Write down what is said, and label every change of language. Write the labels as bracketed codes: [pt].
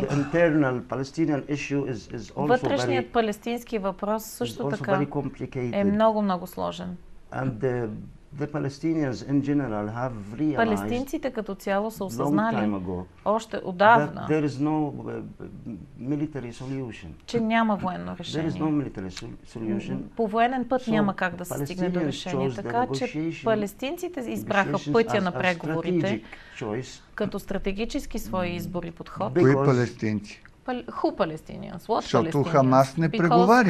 [en] The internal Palestinian issue is also very [bg] Вътрешният палестински въпрос също така е много много сложен. [en] And the Palestinians in general have realized [bg] Палестинците като цяло са осъзнали още отдавна, [en] that there is no military solution. [bg] Че няма военно решение. [en] There is no military solution. [bg] По военен път няма как да се стигне до решение. Така че палестинците избраха пътя на преговорите като стратегически свои избори подход. Кои палестинци? [en] Who Palestinians? [bg] Защото Хамас не преговаря.